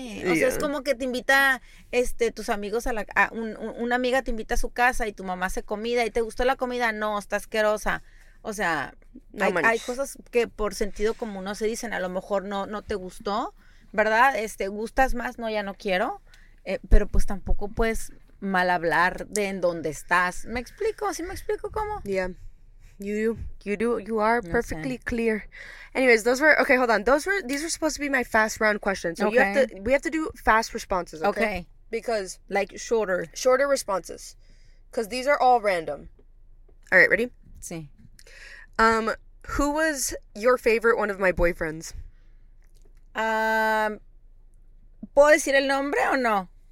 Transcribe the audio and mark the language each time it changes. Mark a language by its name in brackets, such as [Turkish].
[Spanish] Yeah. O sea, es como que te invita tus amigos una amiga te invita a su casa y tu mamá hace comida y te gustó la comida, no, está asquerosa. O sea, hay cosas que por sentido común no se dicen, a lo mejor no te gustó, ¿verdad? Gustas más, no, ya no quiero. Pero pues tampoco puedes mal hablar de en dónde estás. ¿Me explico? ¿Sí me explico cómo? [English] Yeah. You do. You are perfectly clear. Anyways, those were okay. Hold on. These were supposed to be my fast round questions. So okay. We have to do fast responses. Okay. Because like shorter. Shorter responses. Because these are all random. All right. Ready? [Spanish] Sí. [English] Who was your favorite one of my boyfriends? [Spanish] ¿Puedo decir el nombre o no?